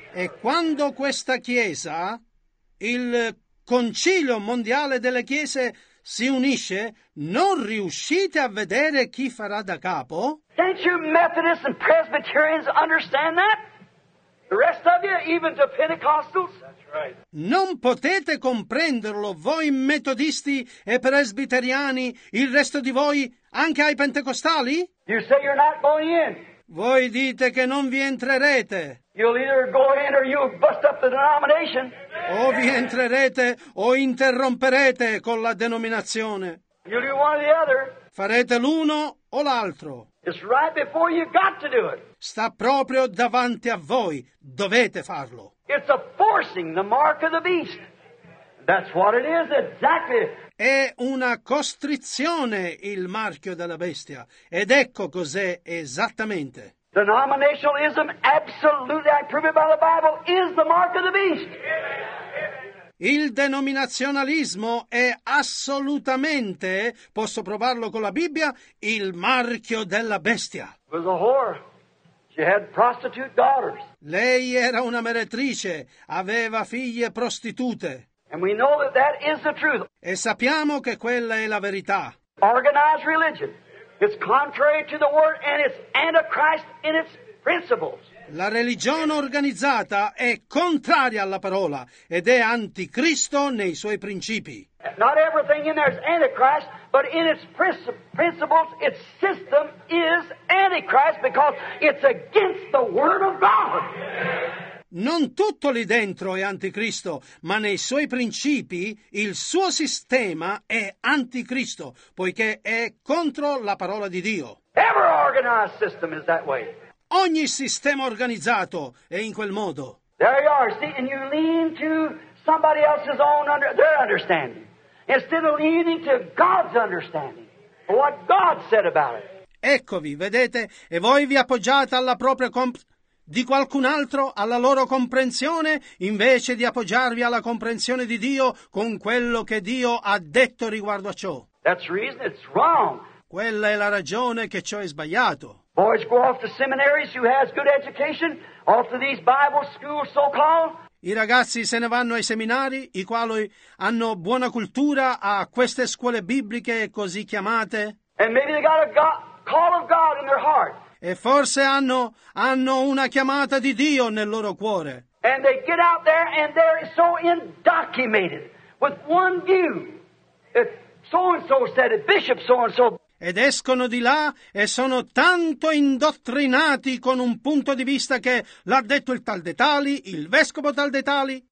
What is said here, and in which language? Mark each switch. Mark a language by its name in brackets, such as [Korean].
[Italian] E quando questa chiesa, il Concilio Mondiale delle Chiese, si unisce, non riuscite a vedere chi farà da capo? [English] Can't you Methodists and Presbyterians understand that? The rest of you, even to Pentecostals? That's right. [Italian] Non potete comprenderlo, voi metodisti e presbiteriani, il resto di voi, anche ai pentecostali? [English] You say you're not going in. [Italian] Voi dite che non vi entrerete. [English] You'll either go in or you'll bust up the denomination. [Italian] O vi entrerete o interromperete con la denominazione. [English] You'll do one or the other. [Italian] Farete l'uno o l'altro. [English] It's right before you've got to do it. [Italian] Sta proprio davanti a voi. Dovete farlo. [English] It's a forcing the mark of the beast. That's what it is exactly. [Italian] È una costrizione il marchio della bestia. Ed ecco cos'è esattamente. [English] Denominationalism, absolutely, I prove it by the Bible, is the mark of the beast. Amen. [Italian] Il denominazionalismo è assolutamente, posso provarlo con la Bibbia, il marchio della bestia. [English] Was a whore. She had prostitute daughters. [Italian] Lei era una meretrice, aveva figlie prostitute. [English] And we know that that is the truth. [Italian] E sappiamo che quella è la verità. [English] Organized religion is contrary to the word and it's antichrist in its principles. [Italian] La religione organizzata è contraria alla parola ed è anticristo nei suoi principi. [English] Not everything in there is antichrist, but in its principles, its system is antichrist because it's against the word of God. [Italian] Non tutto lì dentro è anticristo, ma nei suoi principi il suo sistema è anticristo, poiché è contro la parola di Dio. [English] Every organized system is that way. [Italian] Ogni sistema organizzato è in quel modo. [English] There you are, see, and you lean to somebody else's own their understanding instead of leaning to God's understanding or what God said about it. [Italian] Eccovi, vedete, e voi vi appoggiate alla propria di qualcun altro, alla loro comprensione, invece di appoggiarvi alla comprensione di Dio con quello che Dio ha detto riguardo a ciò. [English] That's the reason it's wrong. [Italian] Quella è la ragione che ciò è sbagliato. [English] Boys go off to seminaries who has good education, off to these Bible schools so called. [Italian] I ragazzi se ne vanno ai seminari, i quali hanno buona cultura a queste scuole bibliche così chiamate. [English] And maybe they got a call of God in their heart. E forse hanno una chiamata di Dio nel loro cuore. And they get out there and they're so indoctrinated with one view. So and so said it, Bishop so and so. [Italian] Ed escono di là e sono tanto indottrinati con un punto di vista che l'ha detto il tal Detali, il vescovo tal Detali.